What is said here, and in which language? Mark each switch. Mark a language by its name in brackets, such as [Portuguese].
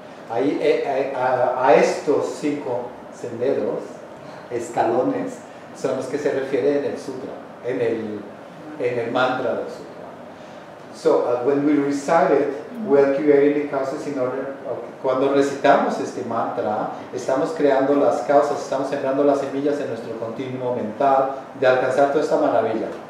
[Spanish] Ahí, a estos cinco senderos, escalones, son los que se refiere en el sutra, en el mantra del sutra. [English] So, when we recite it, we are creating the causes in order. Okay. [Spanish] Cuando recitamos este mantra, estamos creando las causas, estamos sembrando las semillas en nuestro continuo mental de alcanzar toda esta maravilla.